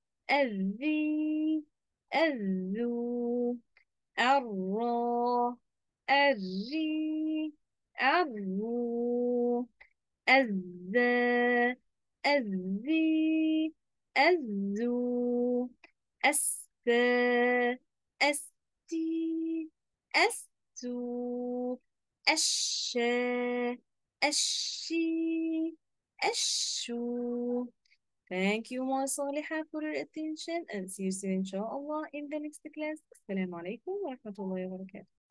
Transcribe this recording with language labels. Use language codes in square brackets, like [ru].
[en] أذّي أذّو أرّى أرّي أرّو أذّى أذّي أذّو أستي أستي أستو أشي أشي أشو. Thank you my صالحة for your attention and see you soon inshallah in the next class. [ar] السلام عليكم ورحمة الله وبركاته.